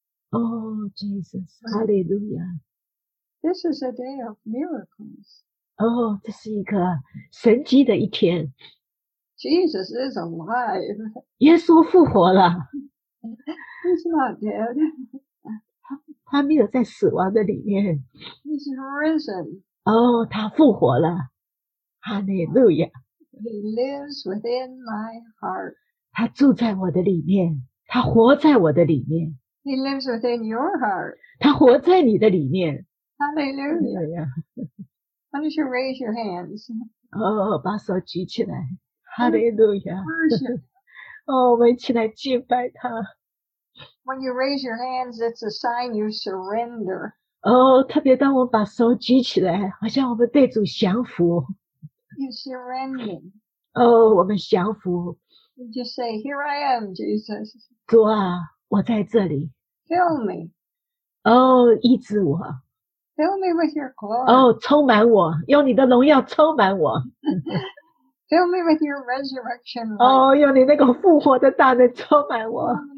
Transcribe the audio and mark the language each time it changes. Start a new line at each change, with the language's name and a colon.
Chinese: 哦，Jesus, 哈利路亚。
English: This is a day of miracles.
Chinese: 哦，这是一个神迹的一天。
English: Jesus is alive.
Chinese: 耶稣复活了。
English: He's not dead.
Chinese: 他没有在死亡的里面。
English: He's risen.
Chinese: 哦，他复活了。哈利路亚。
English: He lives within my heart.
Chinese: 他住在我的里面，他活在我的里面。
English: He lives within your heart.
Chinese: 他活在你的里面。
English: Hallelujah. Why don't you raise your hands?
Chinese: 哦，把手举起来。哈利路亚！哦，我们一起来敬拜他。
English: When you raise your hands, it's a sign you surrender.
Chinese: 哦，特别当我把手举起来，好像我们对主降服。
English: You surrender.
Chinese: 哦，我们降服。
English: You just say, "Here I am, Jesus."
Chinese: 主啊，我在这里。
English: Fill me.
Chinese: 哦，医治我。
English: Fill me with your glory.
Chinese: 哦，充满我，用你的荣耀充满我。
English: Fill me with your resurrection.
Chinese: 哦，用你那个复活的大能充满我。